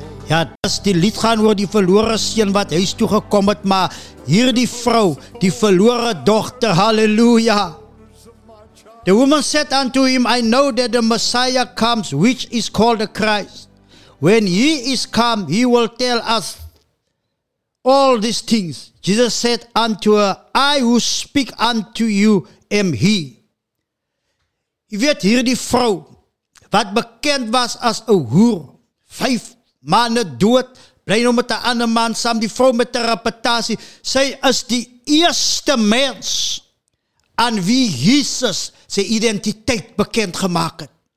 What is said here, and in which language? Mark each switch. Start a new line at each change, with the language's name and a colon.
Afrikaans: Ja, dis die lied gaan oor die verlore seun wat huis toe gekom het, maar hierdie vrou, die verlore dogter, halleluja.
English: The woman said unto him, I know that the Messiah comes, which is called the Christ. When he is come, he will tell us all these things. Jesus said unto her, I who speak unto you am he.
Afrikaans: Jy weet, hier die vrou, wat bekend was as 'n hoer, 5 maande dood, bly nou met 'n ander man saam, die vrou met 'n reputasie, sy is die eerste mens aan wie Jesus sy identiteit bekend gemaak het.